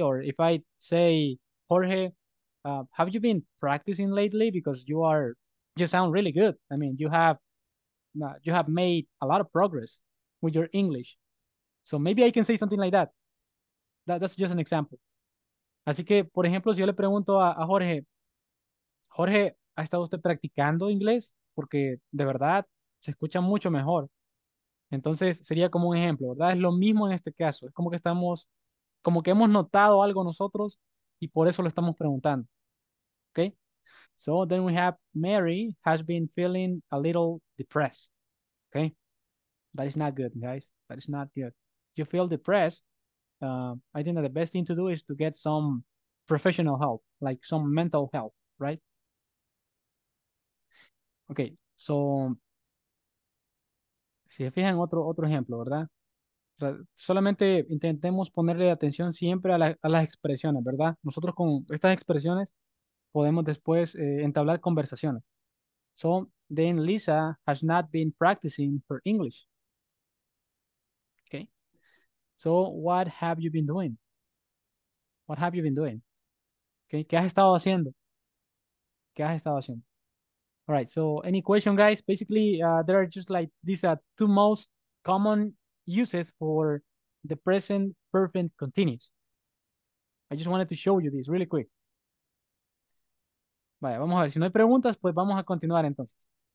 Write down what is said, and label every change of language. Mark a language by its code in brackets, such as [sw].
[en] Or if I say, Jorge, have you been practicing lately? Because you sound really good. I mean, you have made a lot of progress with your English. So maybe I can say something like that. That's just an example. [es] Así que, por ejemplo, si yo le pregunto a Jorge, Jorge, ¿ha estado usted practicando inglés? Porque de verdad se escucha mucho mejor. Entonces sería como un ejemplo, ¿verdad? Es lo mismo en este caso. Es como que estamos, como que hemos notado algo nosotros y por eso lo estamos preguntando. ¿Ok? [en] So then we have Mary has been feeling a little depressed. ¿Ok? That is not good, guys. That is not good. You feel depressed. I think that the best thing to do is to get some professional help, like some mental help, right? [es] Ok, so. Si se fijan, otro ejemplo, ¿verdad? Solamente intentemos ponerle atención siempre a las expresiones, ¿verdad? Nosotros con estas expresiones podemos después entablar conversaciones. [en] So, then Lisa has not been practicing her English. So, what have you been doing? What have you been doing? Okay. ¿Qué has estado haciendo? ¿Qué has estado haciendo? All right, so any question, guys? Basically, there are just like these are two most common uses for the present perfect continuous. I just wanted to show you this really quick. [es] Vaya, vamos a ver. Si no hay preguntas, pues vamos a continuar entonces.